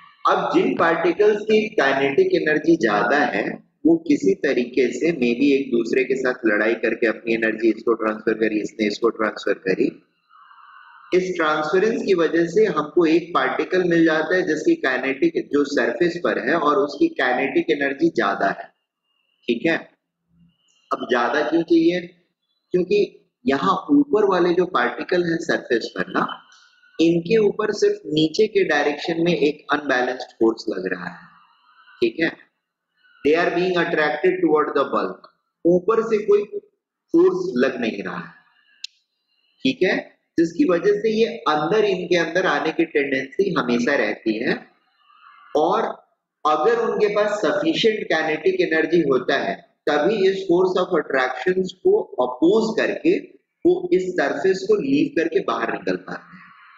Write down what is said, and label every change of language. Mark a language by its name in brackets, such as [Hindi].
[Hindi] अब जिन पार्टिकल्स की kinetic energy ज्यादा है वो किसी तरीके से मे बी एक दूसरे के साथ लड़ाई करके अपनी एनर्जी इसको ट्रांसफर करी, इसने इसको ट्रांसफर करी, इस ट्रांसफरेंस की वजह से हमको एक पार्टिकल मिल जाता है जिसकी काइनेटिक जो सरफेस पर है और उसकी काइनेटिक एनर्जी ज्यादा है, ठीक है? अब ज्यादा क्यों चाहिए? क्योंकि यहाँ ऊपर वाले जो पार्टिकल है सरफेस पर ना, इनके ऊपर सिर्फ नीचे के डायरेक्शन में एक अनबैलेंस्ड फोर्स लग रहा है, ठीक है? [English] They are being attracted toward the bulk. [Hindi] ऊपर से कोई फोर्स लग नहीं रहा है, ठीक है? जिसकी वजह से ये अंदर इनके अंदर आने की टेंडेंसी हमेशा रहती है, और अगर उनके पास सफिशियंट काइनेटिक एनर्जी होता है तभी इस फोर्स ऑफ अट्रैक्शन को अपोज करके वो इस सरफेस को लीव करके बाहर निकल पाते हैं।